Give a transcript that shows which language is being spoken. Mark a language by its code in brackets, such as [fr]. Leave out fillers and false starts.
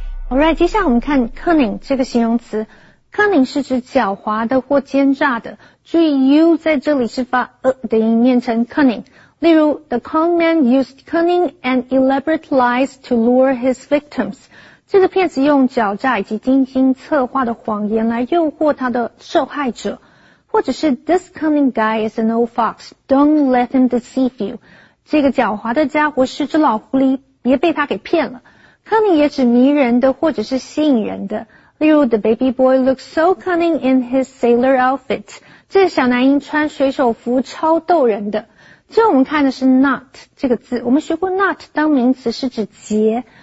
[zh] Alright, 接下来我们看 cunning 这个形容词。cunning 是指狡猾的或奸诈的。注意 u 在这里是发的音念成 cunning。例如 [en] ,the con man used cunning and elaborate lies to lure his victims. [zh] 这个骗子用狡诈以及精心策划的谎言来诱惑他的受害者。或者是 [en] this cunning guy is an old fox, don't let him deceive you. [zh] 这个狡猾的家伙是只老狐狸,别被他给骗了。 [en] Cunning [zh] 也指迷人的或者是吸引人的。例如 [en] ,the baby boy looks so cunning in his sailor outfit. [zh] 这个小男婴穿水手服超逗人的。最后我们看的是 knot 这个字。我们学过 knot 当名词是指结。